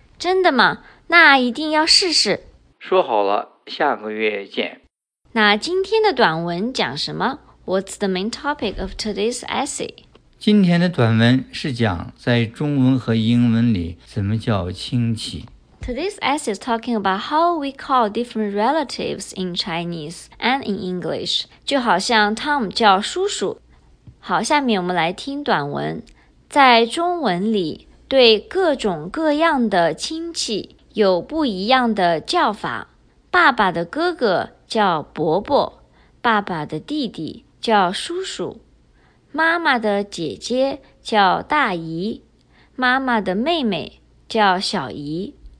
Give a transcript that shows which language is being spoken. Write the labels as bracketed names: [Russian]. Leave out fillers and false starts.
[Chinese] 真的吗？那一定要试试。说好了，下个月见。那今天的短文讲什么？ [English] What's the main topic of today's essay? [Chinese] 今天的短文是讲在中文和英文里怎么叫亲戚。 [English] Today's essay is talking about how we call different relatives in Chinese and in English. [Chinese] 就好像 Tom 叫叔叔。好，下面我们来听短文。在中文里，对各种各样的亲戚有不一样的叫法。爸爸的哥哥叫伯伯，爸爸的弟弟叫叔叔，妈妈的姐姐叫大姨，妈妈的妹妹叫小姨。